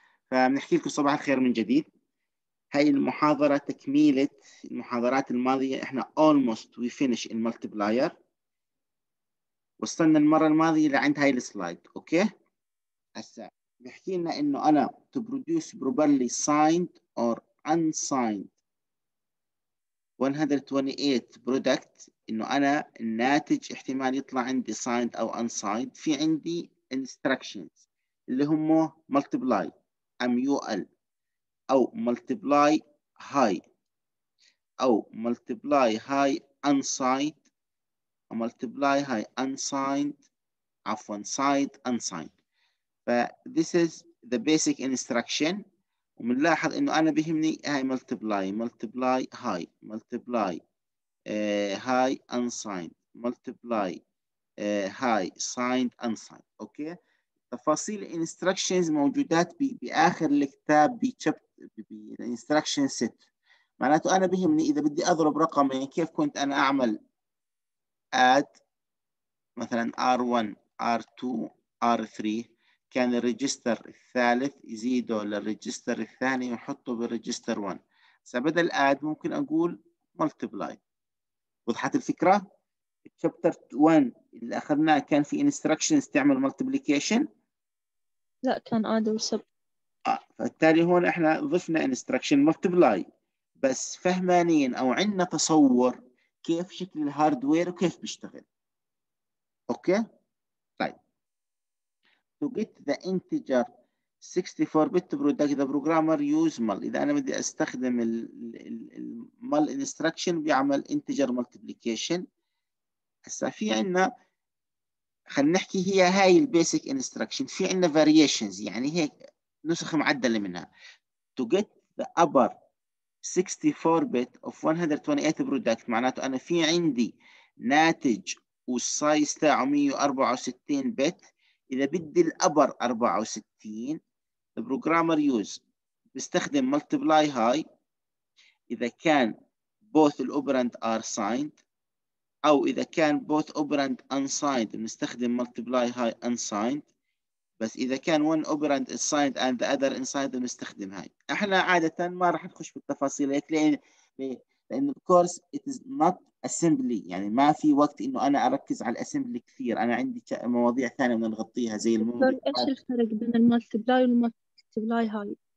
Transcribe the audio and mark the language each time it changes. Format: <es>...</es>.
<ar>فبنحكي لكم صباح الخير من جديد. هاي المحاضرة تكملة المحاضرات الماضية. احنا</ar> <en>almost we finish in multiplier.</en> <ar>وصلنا المرة الماضية لعند هاي السلايد. اوكي هسه بحكي لنا انه انا</ar> <en>to produce properly signed or unsigned 128 product.</en> <ar>انه انا الناتج احتمال يطلع عندي signed او unsigned. في عندي instructions اللي هم multiply MUL أو multiply high أو multiply high unsigned أو multiply high unsigned عفوا signed unsigned.</ar> <en>This is the basic instruction.</en> <ar>ومنلاحظ إنه أنا بهمني هاي multiply multiply high multiply high unsigned multiply high signed unsigned. أوكي تفاصيل instructions موجودات بآخر الكتاب instruction set. معناته أنا بهمني إذا بدي أضرب رقمي كيف كنت أنا أعمل add مثلا R1 R2 R3 كان الريجستر الثالث يزيده للريجستر الثاني ونحطه بالريجستر 1. بدل add ممكن أقول multiply. وضحت الفكرة؟ chapter 1 اللي أخذناه كان في instructions تعمل multiplication. لا كان add وسب. فالتالي هون احنا ضفنا instruction multiply. بس فهمانين او عندنا تصور كيف شكل الهاردوير وكيف بيشتغل. اوكي طيب</ar> <en>to get the integer 64 bit product the programmer use mul.</en> <ar>اذا انا بدي استخدم ال mul instruction بيعمل integer multiplication. هسا في عندنا خلينا نحكي هي هاي البيسك instruction. في عندنا variations يعني هيك نسخ معدلة منها.</ar> <en>To get the upper 64 bit of 128 product</en> <ar>معناته أنا في عندي ناتج والسايز تاعه 164</ar> <en>bit.</en> <ar>إذا بدي الـ upper 64</ar> <en>the programmer use</en> <ar>بيستخدم multiply high إذا كان both الأوبرند are signed أو إذا كان both أوبرند unsigned بنستخدم multiply high unsigned. بس إذا كان</ar> <en>one operand is signed and the other unsigned</en> <ar>نستخدم هاي. إحنا عادة ما راح نخش بالتفاصيل هيك لأن</ar> <en>of course it is not assembly.</en> <ar>يعني ما في وقت إنه أنا أركز على assembly كثير. أنا عندي مواضيع ثانية بدنا نغطيها زي الممر. إيش الفرق بين المالتبلاي والمالتبلاي هاي؟</ar>